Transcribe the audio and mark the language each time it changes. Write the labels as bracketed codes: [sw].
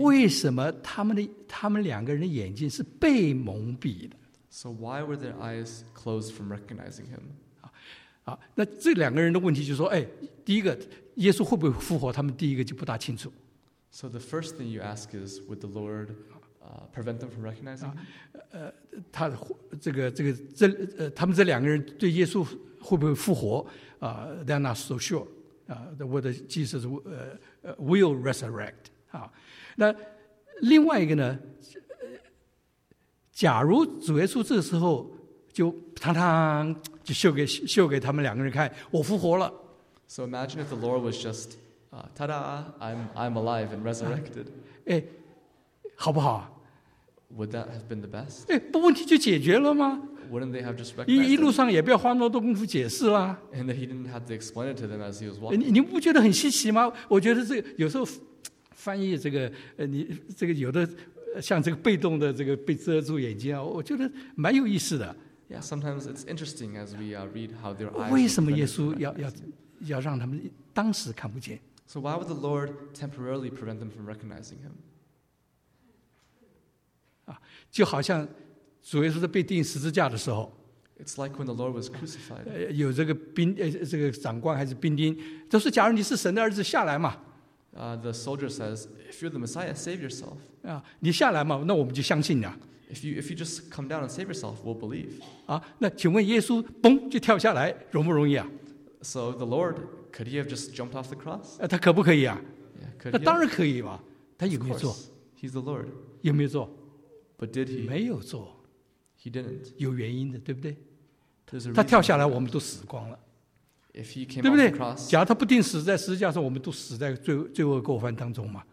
[zh] 为什么他们两个人的眼睛是被蒙蔽的？ [en] So why were their eyes closed from recognizing him? [zh] 那这两个人的问题就是说，哎，第一个，耶稣会不会复活？他们第一个就不大清楚。 [en] So the first thing you ask is, would the Lord prevent them from recognizing him? [zh] 他们这两个人对耶稣会不会复活？ [en] They're not so sure. Whether Jesus will resurrect. [zh] 那另外一个呢？假如主耶稣这时候就嘡嘡就秀给他们两个人看，我复活了。 [en] So imagine if the Lord was just, "Ta-da! I'm alive and resurrected." [zh] 哎，好不好 [en] ？Would that have been the best? [zh] 哎，不，问题就解决了吗 [en] ？Wouldn't they have just recognized? [zh] 一路上也不要花那么多功夫解释啦。 [en] And that he didn't have to explain it to them as he was walking. [zh] 你不觉得很稀奇吗？我觉得这个有时候翻译这个，你这个有的。像这个被动的这个被遮住眼睛啊，我觉得蛮有意思的。 [en] Yeah, sometimes it's interesting as we read how their eyes. [zh] 为什么耶稣要让他们当时看不见 [en] ？So why would the Lord temporarily prevent them from recognizing him? [zh] 就好像主耶稣在被钉十字架的时候 [en] ，It's like when the Lord was crucified. [zh] 有这个兵这个长官还是兵丁，都是假如你是神的儿子下来嘛。 [en] The soldier says, "If you're the Messiah, save yourself." [zh] 你下来嘛，那我们就相信你啊。 [en] If you just come down and save yourself, we'll believe. [zh] 啊，那请问耶稣嘣就跳下来，容不容易啊？ [en] So the Lord, could he have just jumped off the cross? [zh] 他可不可以啊？ [en] Yeah, could [zh] 那当然可以吧，他有没有做？ [en] Of course, he's the Lord. [zh] 有没有做？ [en] But did he? [zh] 没有做。 [en] He didn't. [zh] 有原因的，对不对？ [en] There's a reason. [zh] 他跳下来，我们都死光了。 [en] If he came off the cross, [zh] 假如他不定死在十字架上，我们都死在 罪恶过犯当中嘛。